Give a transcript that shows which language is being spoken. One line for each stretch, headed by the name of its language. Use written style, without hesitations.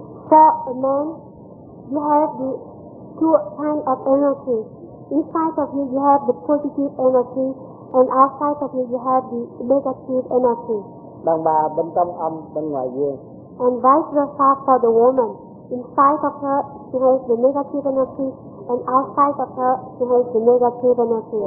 English: For a man, you have the two kind of energy. Inside of you, you have the positive energy, and outside of you, you have the negative energy.
Vietnamese: Đàn bà bên trong âm, bên ngoài dương.
English: And vice versa for the woman. Inside of her, she has the negative energy, and outside of her, she has the negative energy.